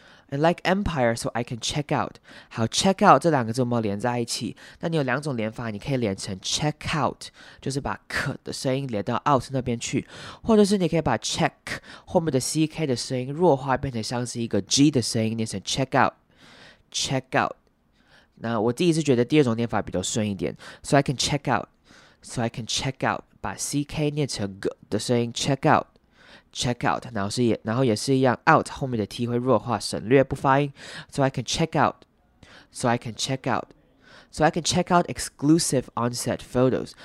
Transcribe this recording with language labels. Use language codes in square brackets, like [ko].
[en] And like Empire, so I can check out. [zh] 好，check out 这两个字我们连在一起。那你有两种连法，你可以连成 check out，就是把 k 的声音连到 out 那边去，或者是你可以把 check 后面的 ck 的声音弱化，变成像是一个 g 的声音，念成 check out, check out。那我第一次觉得第二种念法比较顺一点， [en] so I can check out, [zh] so I can check out， 把 ck 念成 g 的声音 check out。 Check out， 然后也是一样 ，out 后面的 t 会弱化，省略不发音。 [en] So I can check out， so I can check out， so I can check out exclusive onset photos。